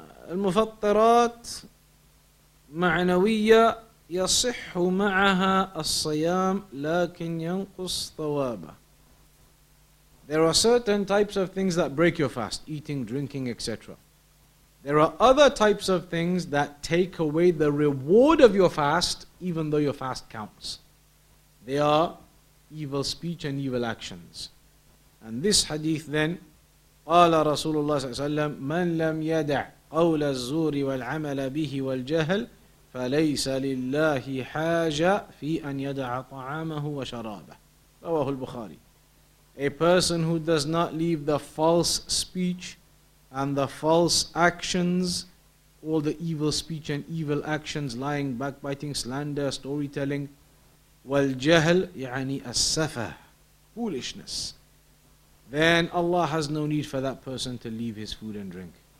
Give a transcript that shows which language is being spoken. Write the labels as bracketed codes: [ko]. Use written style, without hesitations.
[ar] المفطرات معنوية يصح معها الصيام لكن ينقص ثوابه. [en] There are certain types of things that break your fast, eating, drinking, etc. There are other types of things that take away the reward of your fast, even though your fast counts. They are evil speech and evil actions. And this hadith then, [ar] قال رسول الله صلى الله عليه وسلم من لم يدع قول الزور والعمل به والجهل فليس لله حاجة في أن يدع طعامه وشرابه. رواه البخاري. [en] A person who does not leave the false speech and the false actions, all the evil speech and evil actions, lying, backbiting, slander, storytelling, [ar] والجهل يعني السفه, [en] foolishness, then Allah has no need for that person to leave his food and drink.